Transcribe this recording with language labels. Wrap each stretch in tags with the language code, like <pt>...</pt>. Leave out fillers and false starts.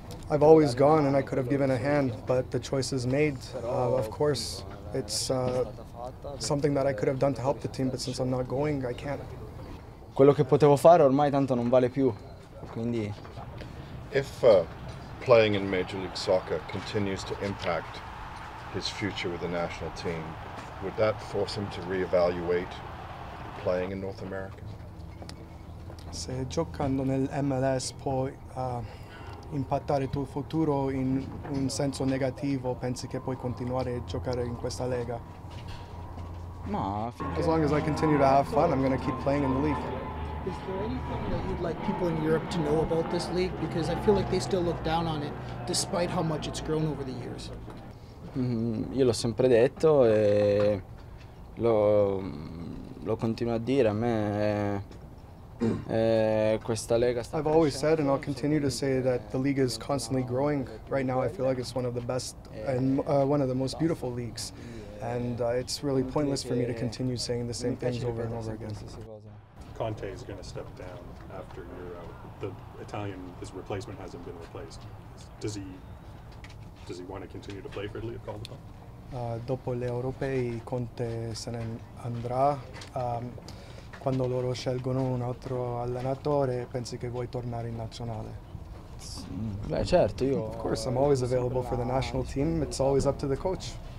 <en>I've always gone and I could have given a hand, but the choice is made. Of course, it's something that I could have done to help the team, but since I'm not going, I can't.</en> <it>Quello che potevo fare ormai tanto non vale più, quindi.</it> <en>If playing in Major League Soccer continues to impact his future with the national team, would that force him to reevaluate playing in North America?</en> <it>Se giocando nel MLS poi impattare il tuo futuro in un senso negativo, pensi che puoi continuare a giocare in questa lega? Ma</it> <en>as long as I continue to have fun, I'm going to keep playing in the league. Is there anything that you'd like people in Europe to know about this league? Because I feel like they still look down on it, despite how much it's grown over the years.</en> <it>Io l'ho sempre detto e lo continuo a dire. A me questa lega sta.</it> <en>I've always said and I'll continue to say that the league is constantly growing. Right now I feel like it's one of the best and one of the most beautiful leagues. And it's really pointless for me to continue saying the same things over and over again. Conte is going to step down after Euro. The Italian, his replacement hasn't been replaced. Does he want to continue to play for Italy if called upon?</en> <it>Dopo le europee, Conte se ne andrà. Quando loro scelgono un altro allenatore, pensi che vuoi tornare in nazionale? Beh, certo, io.</it> <en>Of course, I'm always available for the national team. It's always up to the coach.</en>